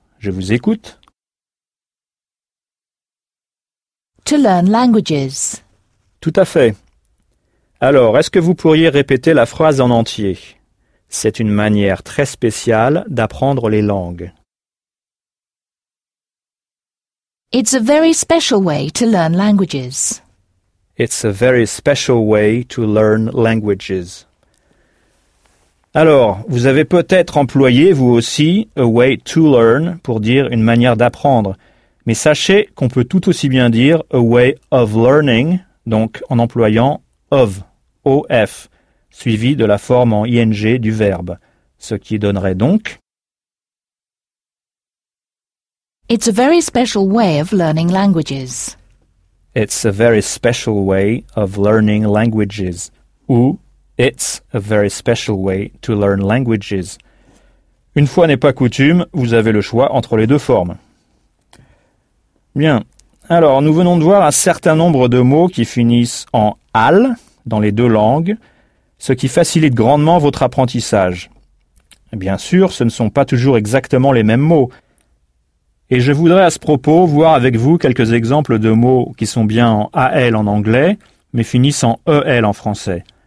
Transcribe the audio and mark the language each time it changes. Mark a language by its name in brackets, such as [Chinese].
[French] Je vous écoute. [English] To learn languages. [French] Tout à fait. Alors, est-ce que vous pourriez répéter la phrase en entier? C'est une manière très spéciale d'apprendre les langues. [English] It's a very special way to learn languages. It's a very special way to learn languages. [French] Alors, vous avez peut-être employé, vous aussi, [English] a way to learn [French] pour dire une manière d'apprendre. Mais sachez qu'on peut tout aussi bien dire [English] a way of learning, [French] donc en employant of, O-F, suivi de la forme en ing du verbe. Ce qui donnerait donc... [English] It's a very special way of learning languages. It's a very special way of learning languages. [French] Ou, [English] it's a very special way to learn languages. [French] Une fois n'est pas coutume, vous avez le choix entre les deux formes. Bien, alors nous venons de voir un certain nombre de mots qui finissent en « al » dans les deux langues, ce qui facilite grandement votre apprentissage. Bien sûr, ce ne sont pas toujours exactement les mêmes mots, et je voudrais à ce propos voir avec vous quelques exemples de mots qui sont bien en « al » en anglais, mais finissent en « el » en français.